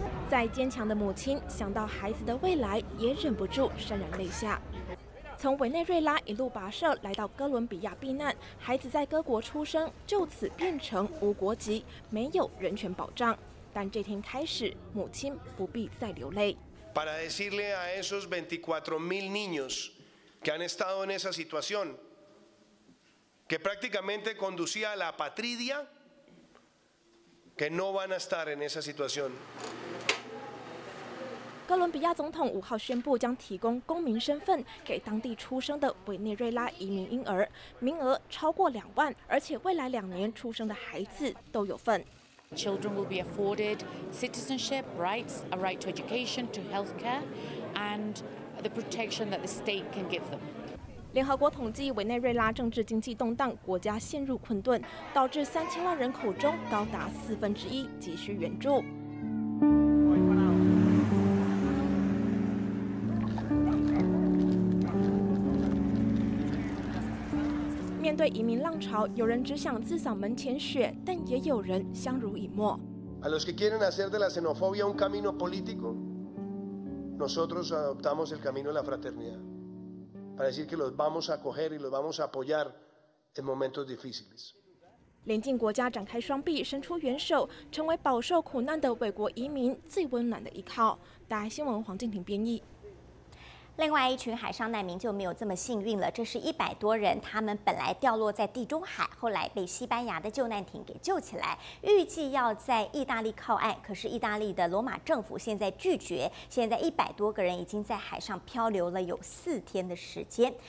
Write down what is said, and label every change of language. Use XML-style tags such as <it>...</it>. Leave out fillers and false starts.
<zh>再坚强的母亲想到孩子的未来，也忍不住潸然泪下。从委内瑞拉一路跋涉来到哥伦比亚避难，孩子在哥国出生，就此变成无国籍，没有人权保障。但这天开始，母亲不必再流泪。</zh> <es>Para decirle a esos 24,000 niños que han estado en esa situación, que prácticamente conducía a la apatridia, que no van a estar en esa situación.</es> <zh>哥伦比亚总统5号宣布将提供公民身份给当地出生的委内瑞拉移民婴儿，名额超过20,000，而且未来两年出生的孩子都有份。</zh> <en>Children will be afforded citizenship rights, a right to education, to health care, and the protection that the state can give them.</en> <zh>联合国统计，委内瑞拉政治经济动荡，国家陷入困顿，导致3,000万人口中高达1/4急需援助。对移民浪潮，有人只想自扫门前雪，但也有人相濡以沫。</zh> <es>A los que quieren hacer de la xenofobia un camino político, nosotros adoptamos el camino de la fraternidad para decir que los vamos a acoger y los vamos a apoyar en momentos difíciles.</es> <zh>邻近国家展开双臂，伸出援手，成为饱受苦难的外国移民最温暖的依靠。大爱新闻黄静婷编译。另外一群海上难民就没有这么幸运了，这是100多人，他们本来掉落在地中海，后来被西班牙的救难艇给救起来，预计要在意大利靠岸，可是意大利的罗马政府现在拒绝，现在100多个人已经在海上漂流了有4天的时间。</zh>